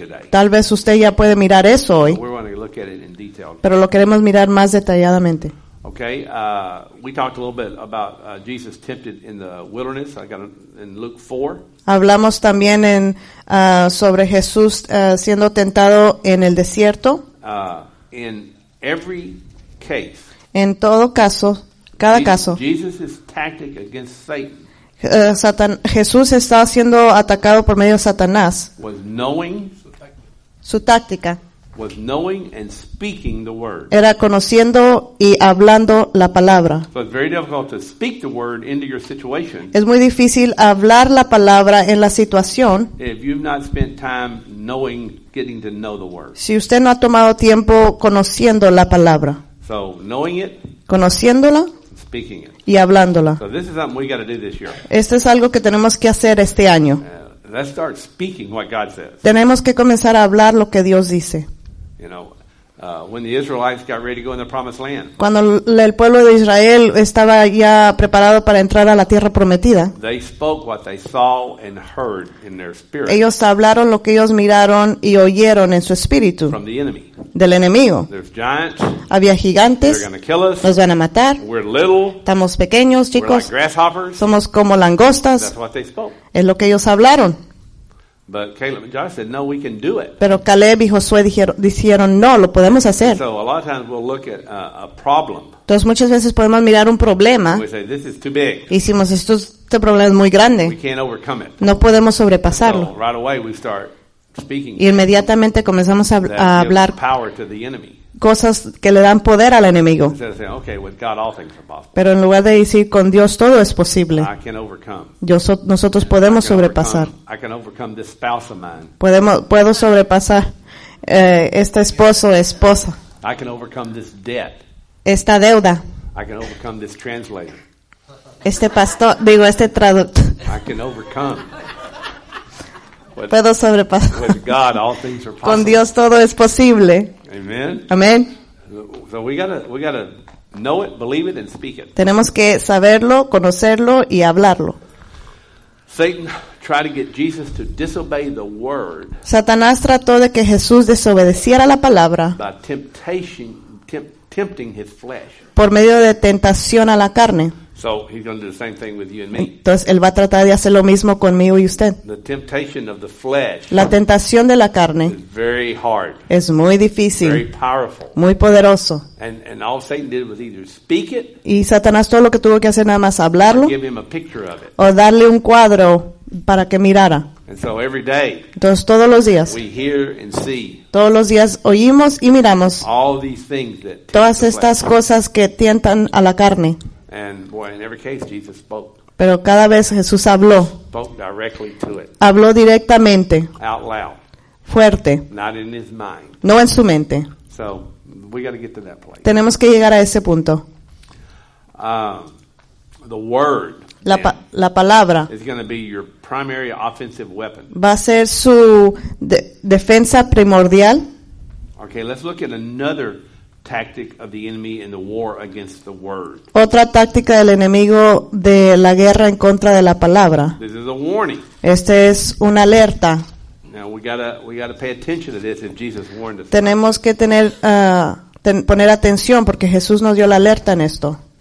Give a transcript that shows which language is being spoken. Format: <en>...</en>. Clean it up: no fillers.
<es>Tal vez usted ya puede mirar eso hoy, pero lo queremos mirar más detalladamente.</es> <en>Okay, we talked a little bit about Jesus tempted in the wilderness. I got in Luke 4.</en> <es>Hablamos también en sobre Jesús siendo tentado en el desierto.</es> <en>In every case.</en> <es>En todo caso, cada caso.</es> <en>Jesus's tactic against Satan.</en> <es>Jesús está siendo atacado por medio de Satanás.</es> <en>Was knowing.</en> <es>Su táctica.</es> <en>Was knowing and speaking the word.</en> <es>Era conociendo y hablando la palabra.</es> <en>So it's very difficult to speak the word into your situation.</en> <es>Es muy difícil hablar la palabra en la situación.</es> <en>If you've not spent time knowing, getting to know the word.</en> <es>Si usted no ha tomado tiempo conociendo la palabra.</es> <en>So knowing it.</en> <es>Conociéndola.</es> <en>Speaking it.</en> <es>Y hablándola.</es> <en>So this is something we got to do this year.</en> <es>Esto es algo que tenemos que hacer este año.</es> <en>Let's start speaking what God says.</en> <es>Tenemos que comenzar a hablar lo que Dios dice.</es> <en>You know, when the Israelites got ready to go in the promised land.</en> <es>Cuando el pueblo de Israel estaba ya preparado para entrar a la tierra prometida.</es> <en>They spoke what they saw and heard in their spirit.</en> <es>Ellos hablaron lo que ellos miraron y oyeron en su espíritu.</es> <en>From the enemy.</en> <es>Del enemigo.</es> <en>There's giants.</en> <es>Había gigantes.</es> <en>They're going to kill us.</en> <es>Nos van a matar.</es> <en>We're little.</en> <es>Estamos pequeños, chicos.</es> <en>We're like grasshoppers.</en> <es>Somos como langostas.</es> <en>That's what they spoke.</en> <es>Es lo que ellos hablaron.</es> <en>But Caleb and Josh said, "No, we can do it."</en> <es>Pero Caleb y Josué dijeron, "No, lo podemos hacer."</es> <en>So a lot of times we'll look at a problem.</en> <es>Entonces muchas veces podemos mirar un problema.</es> <en>We say, "This is too big."</en> <es>Hicimos, este problema es muy grande.</es> <en>We can't overcome it.</en> <es>No podemos sobrepasarlo.</es> <en>So right away we start speaking.</en> <es>Y inmediatamente comenzamos a hablar.</es> <en>Power to the enemy.</en> <es>Cosas que le dan poder al enemigo.</es> <en>Okay, with God, all things are possible.</en> <es>Pero en lugar de decir con Dios todo es posible.</es> <en>I can overcome.</en> <es>Nosotros podemos sobrepasar.</es> <en>I can overcome this spouse of mine.</en> <es>Puedo sobrepasar este esposo o esposa.</es> <en>I can overcome this debt.</en> <es>Esta deuda.</es> <en>I can overcome this translator.</en> <es>Este pastor, digo, este traductor.</es> <en>I can overcome.</en> <es>Puedo sobrepasar.</es> <en>With God, all things are possible.</en> <es>Con Dios todo es posible.</es> <en>Amen.</en> <es>Amen.</es> <en>So we gotta know it, believe it, and speak it.</en> <es>Tenemos que saberlo, conocerlo y hablarlo.</es> <en>Satan tried to get Jesus to disobey the word.</en> <es>Satanás trató de que Jesús desobedeciera la palabra.</es> <en>By temptation, tempting his flesh.</en> <es>Por medio de tentación a la carne.</es> <en>So he's going to do the same thing with you and me.</en> <es>Entonces él va a tratar de hacer lo mismo conmigo y usted.</es> <en>The temptation of the flesh.</en> <es>La tentación de la carne.</es> <en>Is very hard.</en> <es>Es muy difícil.</es> <en>Very powerful.</en> <es>Muy poderoso.</es> <en>And all Satan did was either speak it.</en> <es>Y Satanás todo lo que tuvo que hacer nada más hablarlo.</es> <en>Give him a picture of it.</en> <es>O darle un cuadro para que mirara.</es> <en>And so every day.</en> <es>Entonces todos los días.</es> <en>We hear and see.</en> <es>Todos los días oímos y miramos.</es> <en>All these things that tempt.</en> <es>Todas estas cosas que tientan a la carne.</es> <en>And boy, in every case, Jesus spoke.</en> <es>Pero cada vez Jesús habló.</es> <en>Spoke directly to it.</en> <es>Habló directamente.</es> <en>Out loud.</en> <es>Fuerte.</es> <en>Not in his mind.</en> <es>No en su mente.</es> <en>So we got to get to that place.</en> <es>Tenemos que llegar a ese punto.</es> <en>The word.</en> <es>La palabra.</es> <en>Is going to be your primary offensive weapon.</en> <es>Va a ser su defensa primordial.</es> <en>Okay, let's look at another. Tactic of the enemy in the war against the word.</en> <es>Otra táctica del enemigo de la guerra en contra de la palabra.</es> <en>This is a warning.</en> <es>Este es una alerta.</es> <en>Now we gotta pay attention to this if Jesus warned us.</en> <es>Tenemos que tener poner atención porque Jesús nos dio la alerta en esto.</es>